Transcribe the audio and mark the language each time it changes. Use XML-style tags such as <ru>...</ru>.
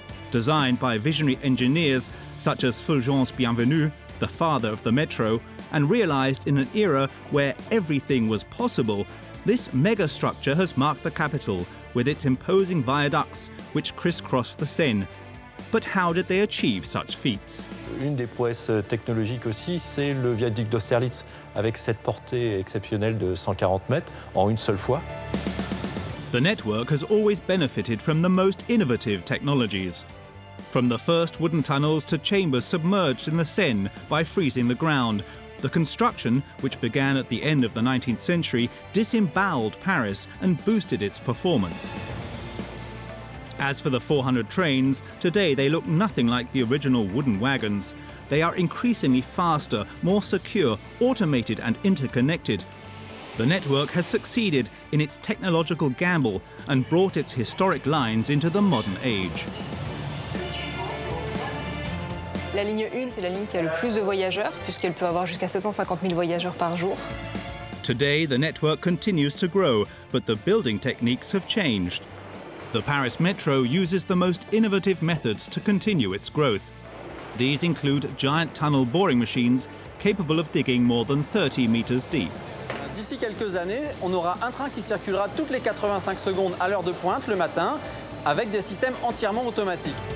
<en>Designed by visionary engineers such as Fulgence Bienvenue, the father of the metro, and realized in an era where everything was possible, this megastructure has marked the capital with its imposing viaducts which crisscross the Seine. But how did they achieve such feats?</en> <fr>Une des prouesses technologiques aussi, c'est le viaduc d'Austerlitz avec cette portée exceptionnelle de 140 mètres en une seule fois.</fr> <en>The network has always benefited from the most innovative technologies. From the first wooden tunnels to chambers submerged in the Seine by freezing the ground, the construction, which began at the end of the 19th century, disemboweled Paris and boosted its performance. As for the 400 trains, today they look nothing like the original wooden wagons. They are increasingly faster, more secure, automated and interconnected. The network has succeeded in its technological gamble and brought its historic lines into the modern age.</en> <fr>La ligne 1, c'est la ligne qui a le plus de voyageurs, puisqu'elle peut avoir jusqu'à 750 000 voyageurs par jour.</fr> <en>Today, the network continues to grow, but the building techniques have changed. The Paris Metro uses the most innovative methods to continue its growth. These include giant tunnel boring machines capable of digging more than 30 meters deep.</en> <fr>D'ici quelques années, on aura un train qui circulera toutes les 85 secondes à l'heure de pointe le matin, avec des systèmes entièrement automatiques.</fr>